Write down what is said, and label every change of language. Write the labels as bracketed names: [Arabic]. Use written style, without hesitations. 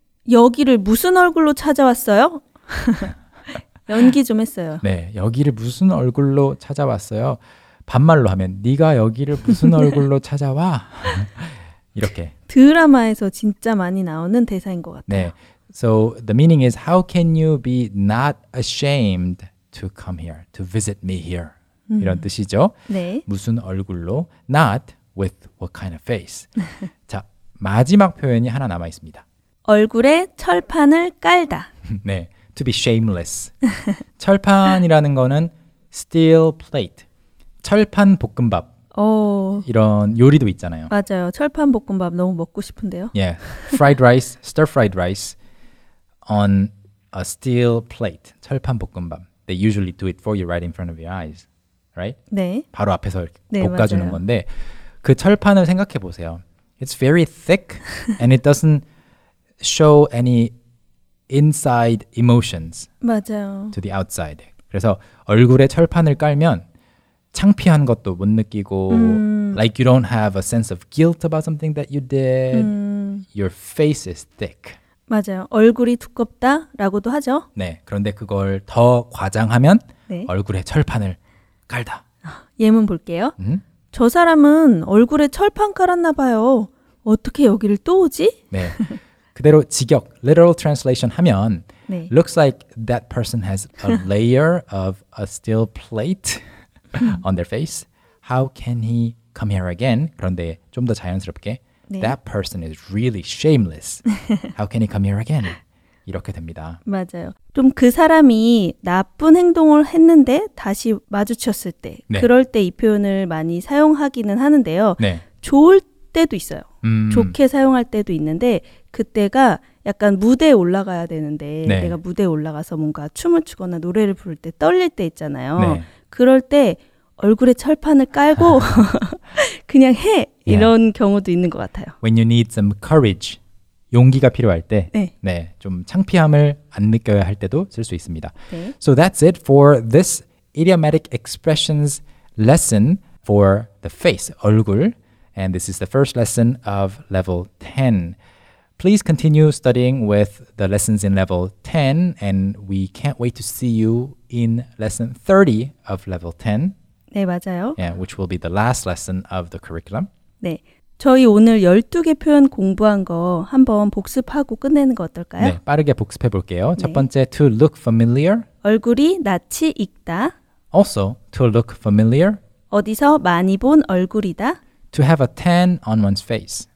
[Korean] 여기를 무슨 얼굴로 찾아왔어요? 연기 좀 했어요. 네. 여기를 무슨 얼굴로 찾아왔어요? 반말로 하면 네가 여기를 무슨 얼굴로 찾아와? 이렇게. 드라마에서 진짜 많이 나오는 대사인 것 같아요. 네. [English] So the meaning is how can you be not ashamed to come here, to visit me here? [Korean] 이런 뜻이죠. 네. 무슨 얼굴로? [English] Not with what kind of face? [Korean] 자, 마지막 표현이 하나 남아 있습니다. 얼굴에 철판을 깔다. [English] 네. To be shameless. [Korean] 철판이라는 거는 [English] steel plate. [Korean] 철판 볶음밥. 오. 이런 요리도 있잖아요. 맞아요. 철판 볶음밥 너무 먹고 싶은데요. [English] Yeah. Fried rice, stir fried rice on a steel plate. [Korean] 철판 볶음밥. [English] They usually do it for you right in front of your eyes. Right? [Korean] 네. 바로 앞에서 네, 볶아주는 맞아요. 건데 그 철판을 생각해 보세요. [English] It's very thick and it doesn't show any inside emotions [Korean] 맞아요. [English] to the outside. [Korean] 그래서 얼굴에 철판을 깔면 창피한 것도 못 느끼고 [English] like you don't have a sense of guilt about something that you did. Your face is thick. [Korean] 맞아요. 얼굴이 두껍다라고도 하죠. 네. 그런데 그걸 더 과장하면 네. 얼굴에 철판을 깔다. 예문 볼게요. 음? 저 사람은 얼굴에 철판 깔았나 봐요. 어떻게 여기를 또 오지? 네. 그대로 직역, [English] literal translation [Korean] 하면 네. [English] looks like that person has a layer of a steel plate on their face. How can he come here again? [Korean] 그런데 좀 더 자연스럽게 네. [English] that person is really shameless. How can he come here again? [Korean] 이렇게 됩니다. 맞아요. 좀 그 사람이 나쁜 행동을 했는데 다시 마주쳤을 때 네. 그럴 때 이 표현을 많이 사용하기는 하는데요. 네. 좋을 때도 있어요. 좋게 사용할 때도 있는데 그때가 약간 무대에 올라가야 되는데 네. 내가 무대에 올라가서 뭔가 춤을 추거나 노래를 부를 때 떨릴 때 있잖아요. 네. 그럴 때 얼굴에 철판을 깔고 그냥 해! 이런 yeah. 경우도 있는 것 같아요. [English] When you need some courage, [Korean] 용기가 필요할 때 네. 네, 좀 창피함을 안 느껴야 할 때도 쓸 수 있습니다. 네. [English] So that's it for this idiomatic expressions lesson for the face, 얼굴. And this is the first lesson of level 10. Please continue studying with the lessons in level 10. And we can't wait to see you in lesson 30 of level 10. [Korean] 네, 맞아요. [English] Yeah, which will be the last lesson of the curriculum. [Korean] 네, 저희 오늘 12개 표현 공부한 거 한번 복습하고 끝내는 거 어떨까요? 네, 빠르게 복습해 볼게요. [English] 네. [Korean] 첫 번째, [English] to look familiar. [Korean] 얼굴이 낯이 익다. [English] Also, to look familiar. [Korean] 어디서 많이 본 얼굴이다. [English] To have a tan on one's face.